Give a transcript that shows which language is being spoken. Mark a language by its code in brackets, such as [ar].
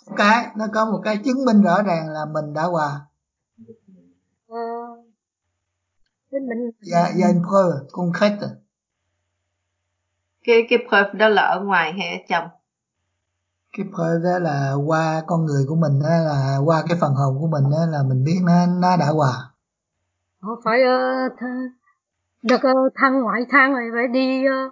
[vi] Cái nó có một cái chứng minh rõ ràng là mình đã hòa. [fr] Il y a une preuve concrète. [vi] Cái preuve đó là ở ngoài hay ở trong? Cái preuve đó là qua con người của mình đó, là qua cái phần hồn của mình đó, là mình biết nó đã hòa. Phải được thân ngoại thân rồi phải đi.